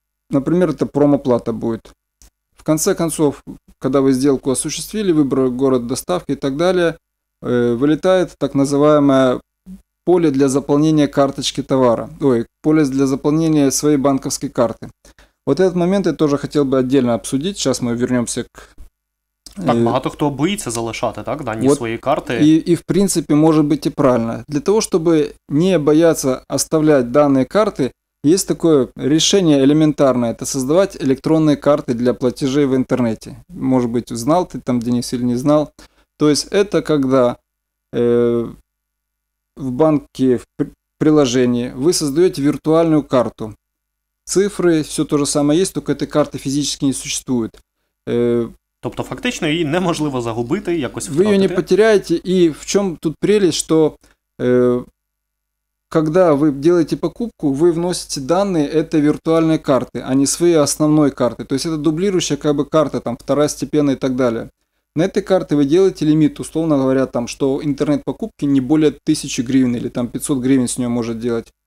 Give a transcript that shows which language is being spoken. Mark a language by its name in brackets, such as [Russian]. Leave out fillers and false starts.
[Russian] Например, это промоплата будет. В конце концов, когда вы сделку осуществили, выбрали город доставки и так далее... вылетает так называемое поле для заполнения карточки товара, поле для заполнения своей банковской карты. Вот этот момент я тоже хотел бы отдельно обсудить, сейчас мы вернемся к... [Ukrainian] Так, багато хто боится залишати, так, дані свої карти. [Russian] И в принципе, может быть и правильно. Для того, чтобы не бояться оставлять данные карты, есть такое решение элементарное, это создавать электронные карты для платежей в интернете. Может быть, знал ты там, Денис, или не знал. То есть это когда в банке, в приложении вы создаете виртуальную карту. Цифры, все то же самое есть, только этой карты физически не существует. [Ukrainian] Тобто фактично ее неможливо загубить, якось втратить. [Russian] Вы ее не потеряете. И в чем тут прелесть, что когда вы делаете покупку, вы вносите данные этой виртуальной карты, а не своей основной карты. То есть это дублирующая как бы карта, там вторая степень и так далее. На этой карте вы делаете лимит, условно говоря, там, что интернет-покупки не более 1000 гривен или там 500 гривен с нее может делать.